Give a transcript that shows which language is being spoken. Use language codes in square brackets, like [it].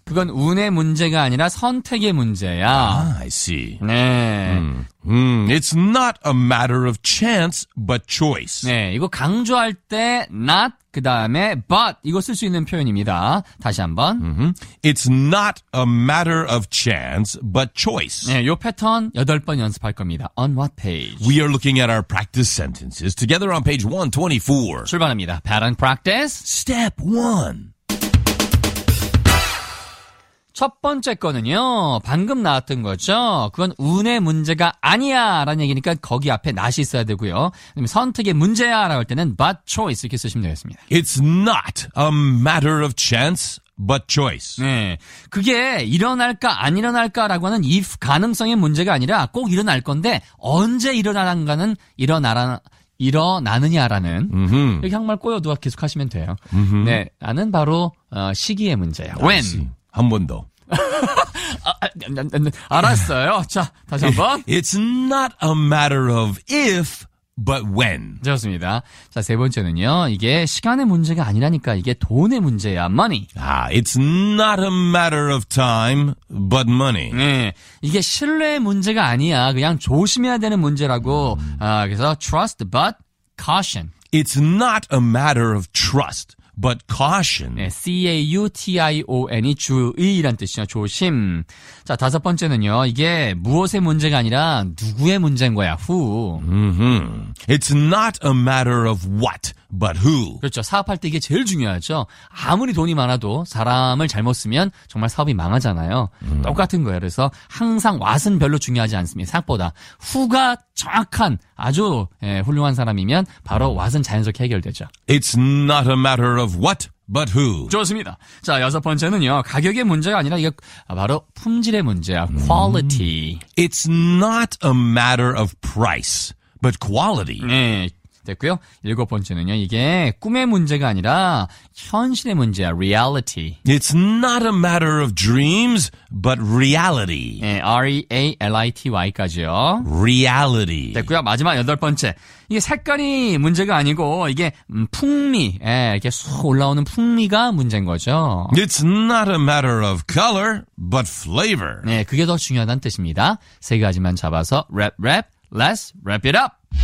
[ko] 그건 운의 문제가 아니라 선택의 문제야. [en] Ah, I see. [ko] 네. [en] It's not a matter of chance, but choice. [ko] 네, 이거 강조할 때 not, 그 다음에 but 이거 쓸 수 있는 표현입니다. 다시 한번. [en] It's not a matter of chance, but choice. [ko] 네, 요 패턴 8번 연습할 겁니다. [en] On what page? We are looking at our practice sentences together on page 124. [ko] 출발합니다. [en] Pattern practice. Step 1. [ko] 첫 번째 거는요, 방금 나왔던 거죠. 그건 운의 문제가 아니야 라는 얘기니까 거기 앞에 not이 있어야 되고요. 선택의 문제야 라고 할 때는 but choice 이렇게 쓰시면 되겠습니다. [en] It's not a matter of chance. But choice. [ko] 네, 그게 일어날까 안 일어날까라고 하는 if 가능성의 문제가 아니라 꼭 일어날 건데 언제 일어나는가는 일어나느냐라는 mm-hmm. 이렇게 한말 꼬여두어 계속하시면 돼요. Mm-hmm. 네, 나는 바로 시기의 문제야. [en] When [ko] 한 번 더. 알았어요. 자, 다시 한 번. [en] It's not a matter of if. But when? [ko] 좋습니다. 자, 세 번째는요. 이게 시간의 문제가 아니라니까 이게 돈의 문제야. [en] Money. 아, it's not a matter of time, but money. [ko] 네. 이게 신뢰의 문제가 아니야. 그냥 조심해야 되는 문제라고. 그래서 [en] trust, but caution. It's not a matter of trust, but caution. [ko] 네, C-A-U-T-I-O-N이 주의란 뜻이야. 조심. 자, 다섯 번째는요. 이게 무엇의 문제가 아니라 누구의 문제인 거야. [en] Who. Mm-hmm. It's not a matter of what, but who. [ko] 그렇죠. 사업할 때 이게 제일 중요하죠. 아무리 돈이 많아도 사람을 잘못 쓰면 정말 사업이 망하잖아요. Mm-hmm. 똑같은 거예요. 그래서 항상 what은 별로 중요하지 않습니다. 생각보다. Who가 정확한 아주 예, 훌륭한 사람이면 바로 what은 자연스럽게 해결되죠. [en] It's not a matter of what. But who? [ko] 좋습니다. 자, 여섯 번째는요. 가격의 문제가 아니라 이게 바로 품질의 문제야. [en] Quality. It's not a matter of price, but quality. [ko] 네, 됐고요. 일곱 번째는요. 이게 꿈의 문제가 아니라 현실의 문제야. [en] Reality. It's not a matter of dreams, but reality. [ko] 네, R-E-A-L-I-T-Y까지요. [en] Reality. [ko] 됐고요. 마지막 여덟 번째. 이게 색깔이 문제가 아니고 이게 풍미, 예, 이렇게 쏙 올라오는 풍미가 문제인 거죠. [en] It's not a matter of color, but flavor. [ko] 네, 그게 더 중요하다는 뜻입니다. 세 가지만 잡아서 랩, 랩, [en] let's wrap it up.